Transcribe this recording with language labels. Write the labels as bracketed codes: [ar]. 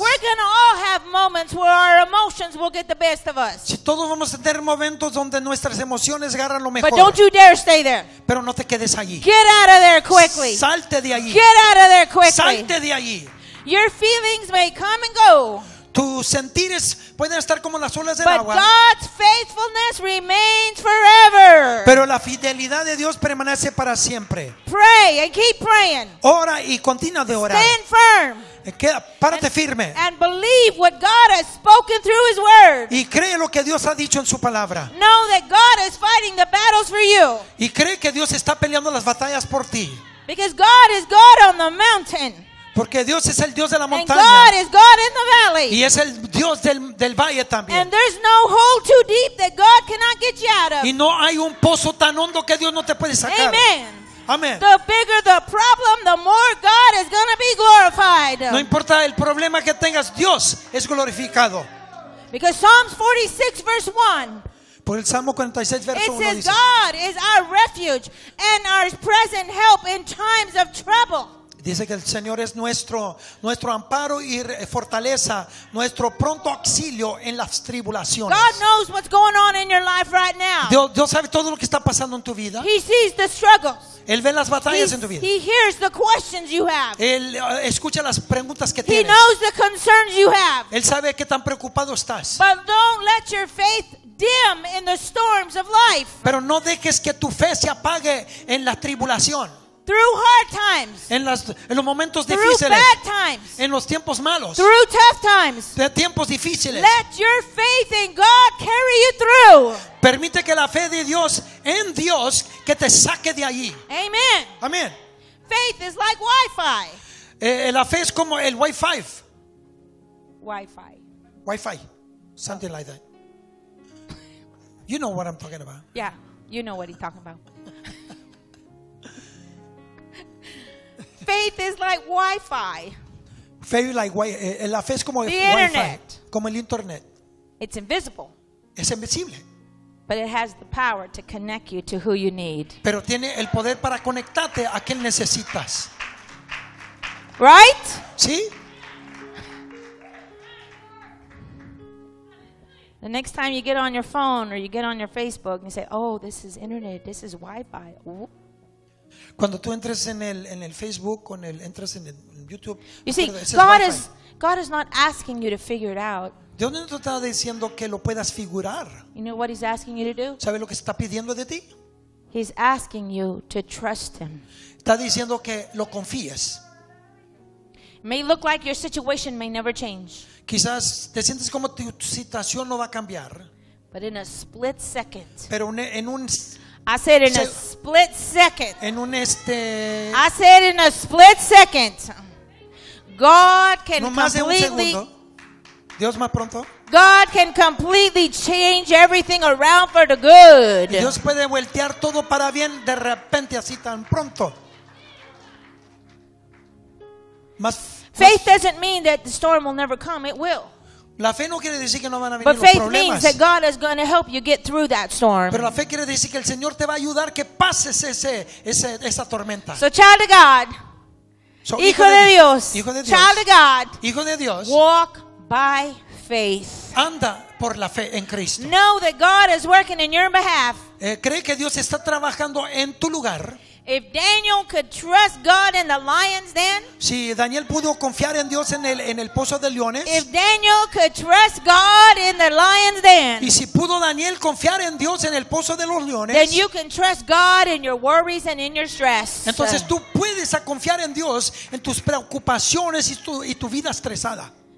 [en] We're gonna all have moments where our emotions will get the best of us. [es] Sí, todos vamos a tener momentos donde nuestras emociones agarran lo mejor. [en] But don't you dare stay there. [es] Pero no te quedes allí. [en] Get out of there quickly. [es] Salte de allí. [en] Get out of there quickly. [es] Salte de allí. [en] Your feelings may come and go. [es] Tus sentires pueden estar como las olas del [en] but [es] agua. [en] But God's faithfulness remains forever. [es] Pero la fidelidad de Dios permanece para siempre. [en] Pray and keep praying. [es] Ora y continúa de orar. [en] Stand firm. [es] Queda, párate firme. [en] And believe what God has spoken through His word. [es] Y cree lo que Dios ha dicho en su palabra. [en] Know that God is fighting the battles for you. [es] Y cree que Dios está peleando las batallas por ti. [en] Because God is God on the mountain. [es] Porque Dios es el Dios de la montaña. [en] And God is God in the valley. [es] Y es el Dios del valle también. [en] And there's no hole too deep that God cannot get you out of. [es] Y no hay un pozo tan hondo que Dios no te puede sacar. [en] Amen. [es] Amen. [en] The bigger the problem, the more God is going to be glorified. [es] No importa el problema que tengas, Dios es glorificado. [en] Because Psalms 46 verse 1. [es] Por el Salmo 46 verso 1 dice. [en] It says God is our refuge and our present help in times of trouble. [es] Dice que el Señor es nuestro amparo y fortaleza, nuestro pronto auxilio en las tribulaciones. [en] God knows what's going on in your life right now. [es] Dios sabe todo lo que está pasando en tu vida. [en] He sees the struggles. [es] Él ve las batallas en tu vida. [en] He hears the questions you have. [es] Él escucha las preguntas que [en] he [es] tienes. [en] He knows the concerns you have. [es] Él sabe qué tan preocupado estás. [en] But don't let your faith dim in the storms of life. [es] Pero no dejes que tu fe se apague en la tribulación. [en] Through hard times. [es] En los momentos [en] through [es] difíciles. [en] Through bad times. [es] En los tiempos malos. [en] Through tough times. [es] De tiempos difíciles. [en] Let your faith in God carry you through. [es] Permite que la fe de Dios en Dios que te saque de allí. [en] Amen. [es] Amen. [en] Faith is like Wi-Fi. [es] La fe es como el Wi-Fi. [en] Wi-Fi. Wi-Fi. Something like that. You know what I'm talking about. Yeah, you know what he's talking about. Faith is like Wi-Fi. Faith is like Wi-Fi. [es] La fe es como [en] the internet. [es] Wi-Fi, como el internet. [en] It's invisible. [es] Es invisible. [en] But it has the power to connect you to who you need. [es] Pero tiene el poder para conectarte a quien necesitas. [en] Right? [es] Sí. [en] The next time you get on your phone or you get on your Facebook and you say, "Oh, this is internet, this is Wi-Fi." [es] Cuando tú entres en el Facebook o entras en el YouTube, [en] you see, God is not asking you to figure it out. [es] Dios no te está diciendo que lo puedas figurar. [en] You know what he's asking you to do? [es] ¿Sabes lo que está pidiendo de ti? [en] He's asking you to trust him. [es] Está diciendo que lo confíes. [en] It may look like your situation may never change. [es] Quizás te sientes como tu situación no va a cambiar. [en] But in a split second. [es] Pero en un [en] I said in a split second. [es] En un [en] I said in a split second. God can completely [es] Dios más pronto. [en] God can completely change everything around for the good. [es] Dios puede voltear todo para bien de repente así tan pronto. [en] Faith doesn't mean that the storm will never come. It will. [es] La fe no quiere decir que no van a venir los problemas. [en] But faith means that God is going to help you get through that storm. [es] Pero la fe quiere decir que el Señor te va a ayudar que pases esa tormenta. [en] So child of God, so [es] hijo de Dios, [en] child of God, [es] hijo de Dios, [en] walk by faith. [es] Anda por la fe en Cristo. [en] Know that God is working in your behalf. [es] Cree que Dios está trabajando en tu lugar. [en] If Daniel could trust God in the lions, then. [es] Si Daniel pudo confiar en Dios en el pozo de leones. [en] If Daniel could trust God in the lions, then. [es] Y si pudo Daniel confiar en Dios en el pozo de los leones. [en] Then you can trust God in your worries and in your stress. [es] Entonces tú puedes confiar en Dios en tus preocupaciones y tu vida estresada.